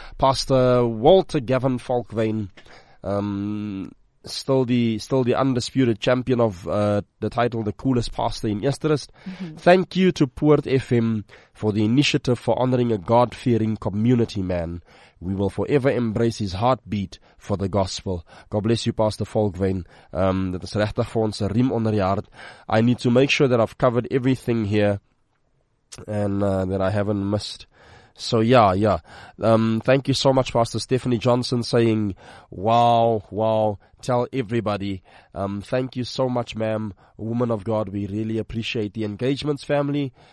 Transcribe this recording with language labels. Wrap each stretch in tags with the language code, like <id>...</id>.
<en>Pastor Walter Gavin Falkvane, Still the undisputed champion of the title, the coolest pastor in Esterist. Mm-hmm. Thank you to Poort FM for the initiative for honoring a God-fearing community man. We will forever embrace his heartbeat for the gospel. God bless you, Pastor Falkvane.</en> <af>Dit is regtig vir ons 'n riem onder die hart.</af> <en>I need to make sure that I've covered everything here and that I haven't missed. So, yeah. Thank you so much, Pastor Stephanie Johnson, saying, wow, tell everybody. Thank you so much, ma'am, woman of God. We really appreciate the engagements, family.</en>